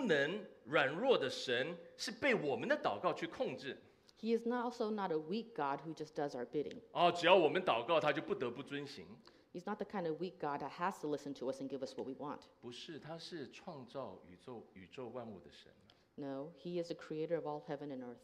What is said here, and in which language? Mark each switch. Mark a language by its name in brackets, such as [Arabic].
[Chinese] 他也不是一个无能软弱的神, 是被我们的祷告去控制。 [English] He is also not a weak God who just does our bidding. [Chinese] 只要我们祷告, 他就不得不遵行。 [English] He's not the kind of weak God that has to listen to us and give us what we want. [Chinese] 不是, 他是创造宇宙万物的神。 [English] No, he is the creator of all heaven and earth.